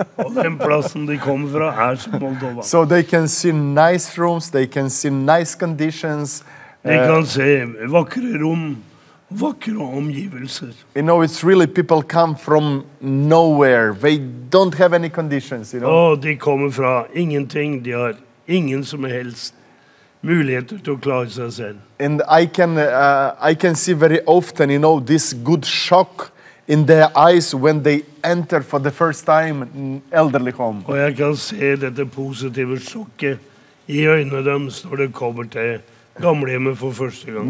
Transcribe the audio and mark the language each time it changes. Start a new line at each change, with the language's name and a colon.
Norwegian: Og den plassen de kommer fra som Moldova.
English: So they can see nice rooms, they can see nice conditions.
Norwegian: De kan se vakre rom, vakre omgivelser.
English: You know, it's really people come from nowhere. They don't have any conditions, you know?
Norwegian: Oh, de kommer fra ingenting. De har ingen som helst muligheter til å klare seg selv.
English: And I can see very often, you know, this good shock in their eyes when they enter for the first time in elderly home.
Norwegian: Og jeg kan se dette positive sjokket i øynene deres når de kommer til gamlehjemmet for første gang.